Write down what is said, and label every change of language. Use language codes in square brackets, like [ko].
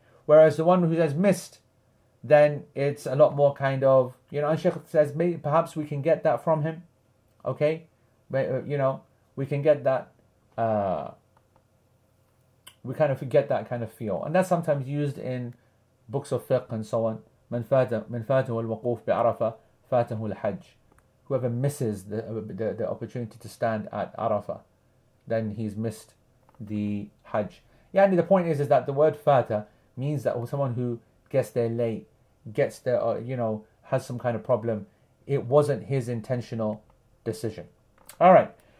[en] Whereas the one who says missed, then it's a lot more kind of, you know, and Sheikh says, maybe perhaps we can get that from him. Okay? We kind of get that kind of feel. And that's sometimes used in books of fiqh and so on. [ar] من فاته الوقوف بعرفة فاته الحج. [en] Whoever misses the opportunity to stand at Arafah, then he's missed the Hajj. Yeah, and the point is that the word fata means that someone who gets there late, gets there, has some kind of problem, it wasn't his intentional decision. All right.